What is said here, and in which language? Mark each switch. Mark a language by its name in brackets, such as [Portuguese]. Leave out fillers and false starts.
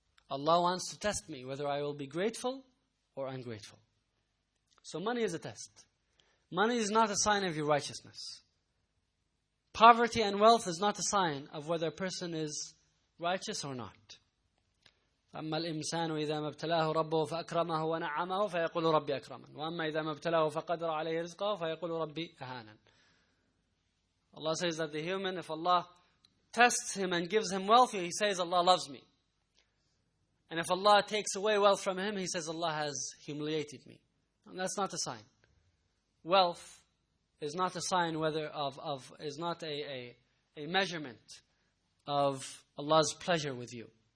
[English] Allah wants to test me whether I will be grateful or ungrateful. So money is a test. Money is not a sign of your righteousness. Poverty and wealth is not a sign of whether a person is righteous or not. [Arabic] أما الإنسان إذا ما ابتلاه ربه فأكرمه ونعمه فيقول ربي أكرمن وأما إذا ما ابتلاه فقدر عليه رزقه فيقول ربي أهانن. [English] Allah says that the human, if Allah tests him and gives him wealth, he says Allah loves me. And if Allah takes away wealth from him, he says Allah has humiliated me. And that's not a sign. Wealth is not a sign is not a measurement of Allah's pleasure with you.